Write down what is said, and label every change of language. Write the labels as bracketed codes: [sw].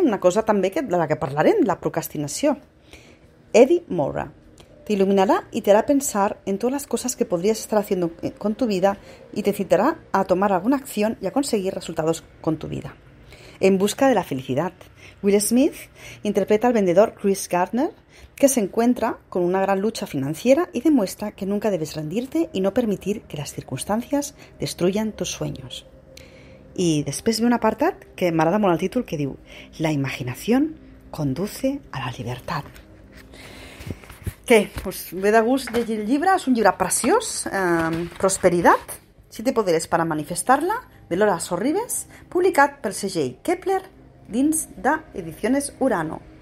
[ca] Una cosa també que, de la que parlarem, la procrastinació. Eddie Mora. Te il·luminarà [es] i te hará pensar en todas las cosas que podrías estar haciendo con tu vida y te incitará a tomar alguna acción y a conseguir resultados con tu vida. En busca de la felicidad. Will Smith interpreta al vendedor Chris Gardner, que se encuentra con una gran lucha financiera y demuestra que nunca debes rendirte y no permitir que las circunstancias destruyan tus sueños. [ca] I després ve un apartat que m'agrada molt el títol, que diu: [es] La imaginación conduce a la libertad. [ca] Què? Us ve de gust llegir el llibre? És un llibre preciós, Prosperidad, si te poderes para manifestarla, de Lola Sorribes, publicat pel segell Kepler dins d'Ediciones Urano.